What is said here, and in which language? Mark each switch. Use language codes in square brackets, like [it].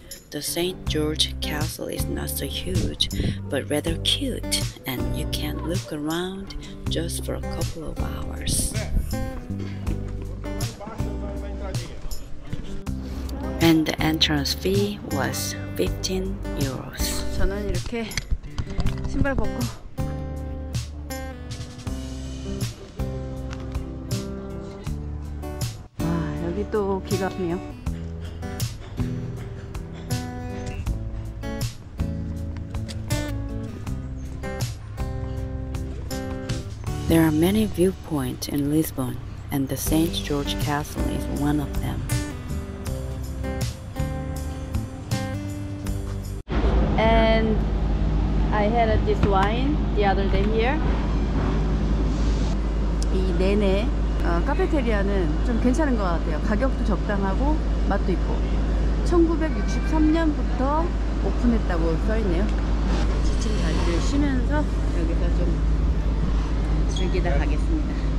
[en] The St. George Castle is not so huge, but rather cute, and you can look around just for a couple of hours. And the entrance fee was 15 euros. [ko] 저는 이렇게 신발 벗고 와, 여기 또 기가네요. [en] 'There are many viewpoints in Lisbon, and the St. George Castle is one of them. And I had this wine the other day here. [ko] 이 내내 카페테리아는 좀 괜찮은 것 같아요. 가격도 적당하고 맛도 있고. 1963년부터 오픈했다고 써 있네요. 지친 다리를 쉬면서 여기서 좀 즐기다 가겠습니다.